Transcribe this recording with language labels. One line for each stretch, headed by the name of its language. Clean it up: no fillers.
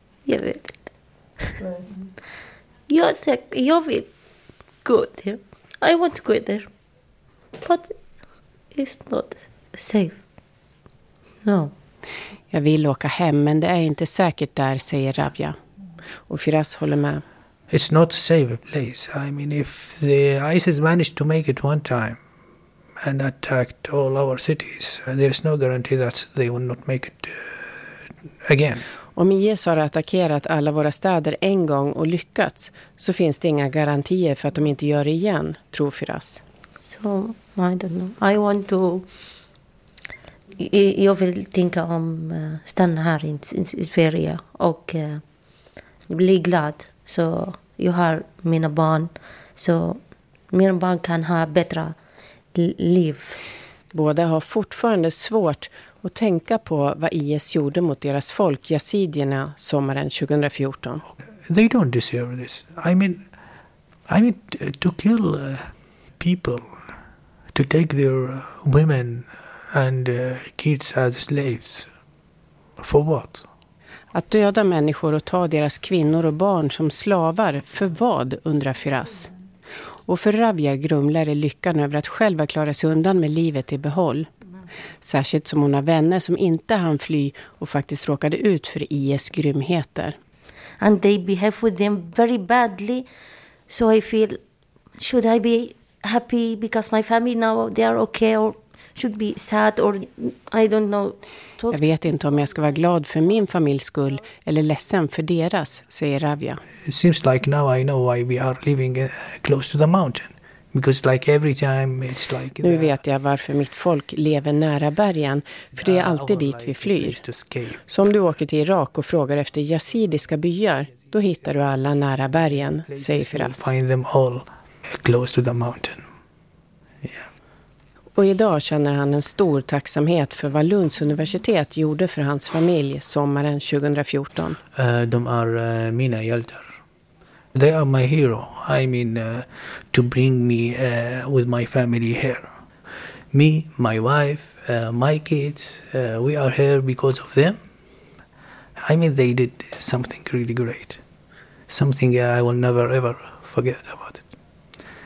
Swedish: Jag vet inte. Jag vill gå där.
English: I want to go there. But it's not safe. No.
Swedish: Jag vill åka hem, men det är inte säkert där, säger Rabia. Och Firas håller med. It's not a safe place. I mean, if the ISIS managed to make it one time and attacked all our cities, there's no guarantee that they will not make it again. Om IS har attackerat alla våra städer en gång och lyckats, så finns det inga garantier för att de inte gör det igen, tror Firas.
English: So I don't know. I want to.
Swedish: Jag vill tänka om stanna här i Sverige och bli glad. Så jag har mina barn, så mina barn kan ha bättre liv. Båda har fortfarande svårt att tänka på vad IS gjorde mot deras folk, yazidierna, sommaren 2014.
English: They don't deserve this. I mean to kill people. To take their women and kids as slaves. For what?
Swedish: Att döda människor och ta deras kvinnor och barn som slavar, för vad, undrar Firas. Och för Rabia grumlar är lyckan över att själva klara sig undan med livet i behåll. Särskilt som hon har vänner som inte hann fly och faktiskt råkade ut för IS grymheter.
English: And they behave with them very badly. So I feel, should I be happy because my family now they are okay, or should be sad, or I don't know.
Swedish: Jag vet inte om jag ska vara glad för min familjs skull eller ledsen för deras, säger Rabia.
English: It seems like now I know why we are living close to the mountain, Because like every time it's like
Swedish: nu vet jag varför mitt folk lever nära bergen, för det är alltid dit vi flyr. Så om du åker till Irak och frågar efter yazidiska byar, då hittar du alla nära bergen, säger Firas.
English: Find them all close to the mountain. Yeah.
Swedish: Och idag känner han en stor tacksamhet för vad Lunds universitet gjorde för hans familj sommaren 2014. De är mina hjältar.
English: They are my hero. I mean, to bring me with my family here. Me, my wife, my kids, we are here because of them. I mean, they did something really great. Something I will never ever forget about it.